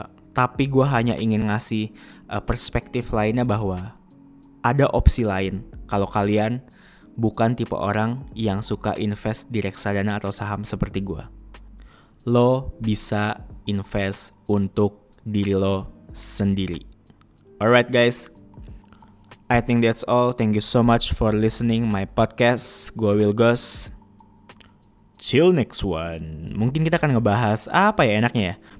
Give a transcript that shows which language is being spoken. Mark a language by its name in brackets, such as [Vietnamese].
[Indonesian] Tapi gue hanya ingin ngasih perspektif lainnya bahwa ada opsi lain kalau kalian bukan tipe orang yang suka invest di reksadana atau saham seperti gue. Lo bisa invest untuk diri lo sendiri. [English] Alright guys, I think that's all. Thank you so much for listening my podcast. Gue Will Goss. Till next one. [Indonesian] Mungkin kita akan ngebahas apa ya enaknya ya.